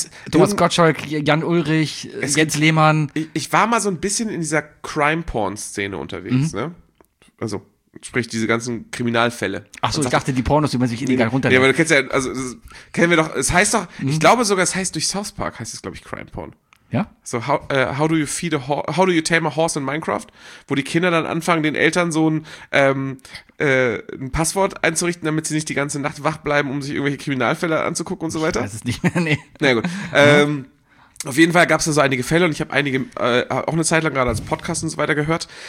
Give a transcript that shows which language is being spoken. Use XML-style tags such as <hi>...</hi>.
<de>Thomas Gottschalk, Jan Ullrich, Jens Lehmann. Ich war mal so ein bisschen in dieser Crime-Porn-Szene unterwegs, ne? Also, sprich, diese ganzen Kriminalfälle. Ach so, ich dachte, die Pornos, die man sich illegal runterlädt. Ja, aber du kennst ja, also, kennen wir doch, es heißt doch, ich glaube sogar, es heißt durch South Park, heißt es, glaube ich, Crime-Porn. Ja?</de> <en>So, how do you tame a horse in Minecraft?</en> <de>Wo die Kinder dann anfangen, den Eltern so ein Passwort einzurichten, damit sie nicht die ganze Nacht wach bleiben, um sich irgendwelche Kriminalfälle anzugucken und so weiter. Ich weiß es nicht mehr, nee. Na gut. Auf jeden Fall gab es da so einige Fälle und ich habe einige, auch eine Zeit lang gerade als Podcast und so weiter gehört.</de>